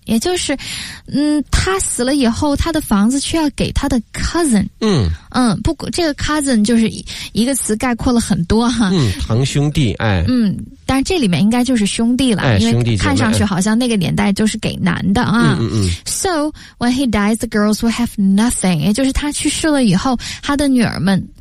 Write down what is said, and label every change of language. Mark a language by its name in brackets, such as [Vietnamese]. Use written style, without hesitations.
[Chinese] 也就是，他死了以后，他的房子却要给他的 cousin。嗯嗯，不，这个 cousin 就是一个词，概括了很多哈。嗯，堂兄弟，哎。嗯，但是这里面应该就是兄弟了，哎、因为看上去好像那个年代就是给男的啊。嗯嗯嗯。 [English] So when he dies, the girls will have nothing. [Chinese] 也就是他去世了以后，他的女儿们。